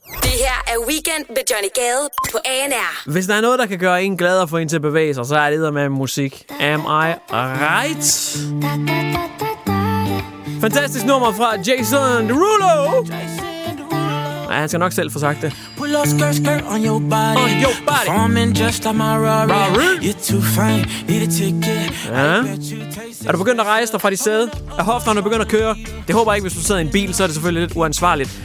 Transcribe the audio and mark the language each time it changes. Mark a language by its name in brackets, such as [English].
[Danish] Det her er Weekend med Johnny Gade på ANR. Hvis der er noget, der kan gøre en glad og få en til at bevæge sig, så er det med musik. [English] Am I right? [Danish] Fantastisk nummer fra Jason Derulo. Ja, han skal nok selv få sagt det. [English] Pull up skirt on your body. On your body. Performing just like my Rory. Rory. You're too fine. Need a ticket. [Danish] Ja. Er du begyndt at rejse dig fra dit sæde? Er hofterne begyndt at køre? Det håber jeg ikke, hvis du sidder i en bil, så er det selvfølgelig lidt uansvarligt.